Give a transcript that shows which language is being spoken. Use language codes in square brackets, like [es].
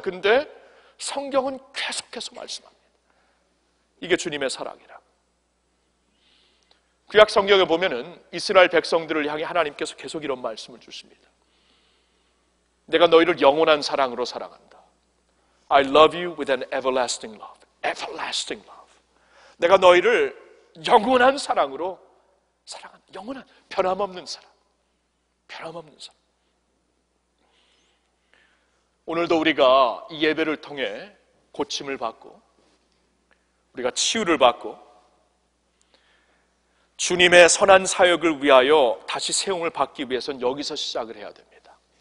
[ko] 근데 성경은 계속해서 말씀합니다. 이게 주님의 사랑이라. 구약 성경에 보면은 이스라엘 백성들을 향해 하나님께서 계속 이런 말씀을 주십니다. 내가 너희를 영원한 사랑으로 사랑한다. [en] I love you with an everlasting love. Everlasting love. [ko] 내가 너희를 영원한 사랑으로 사랑한다. 영원한, 변함없는 사랑. 변함없는 사랑. 오늘도 우리가 이 예배를 통해 고침을 받고 우리가 치유를 받고 주님의 선한 사역을 위하여 다시 세움을 받기 위해서는 여기서 시작을 해야 됩니다.